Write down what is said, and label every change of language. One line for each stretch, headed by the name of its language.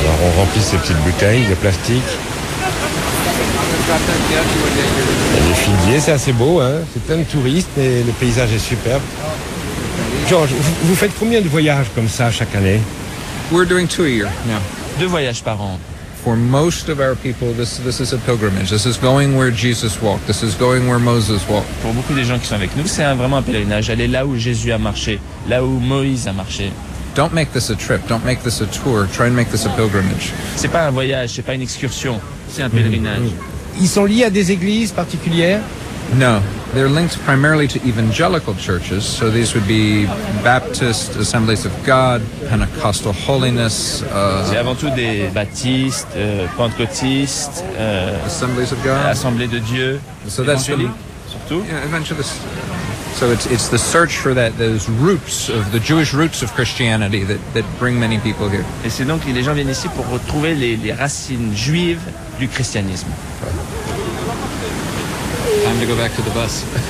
French: Alors on remplit ces petites bouteilles de plastique. Et les figuiers, c'est assez beau, hein. C'est plein de touristes et le paysage est superbe. George, vous faites combien de voyages comme ça chaque année?
English: We're doing two a year now.
French: Deux voyages par an.
English: For most of our people, this is a pilgrimage. This is going where Jesus walked. This is going where Moses walked.
French: Pour beaucoup des gens qui sont avec nous, c'est vraiment un pèlerinage. Aller là où Jésus a marché, là où Moïse a marché.
English: Don't make this a trip. Don't make this a tour. Try and make this a pilgrimage.
French: C'est pas un voyage, c'est pas une excursion, c'est un pèlerinage. Ils sont liés à des églises particulières?
English: No, they're linked primarily to evangelical churches. So these would be Baptist Assemblies of God, Pentecostal Holiness.
French: C'est avant tout des baptistes, pentecôtistes.
English: Assemblies of God.
French: Assemblées de Dieu.
English: So that's the
French: surtout.
English: Yeah, evangelists. So it's the search for that those roots of the Jewish roots of Christianity that bring many people here.
French: Et c'est donc les gens viennent ici pour retrouver les racines juives du christianisme.
English: Time to go back to the bus.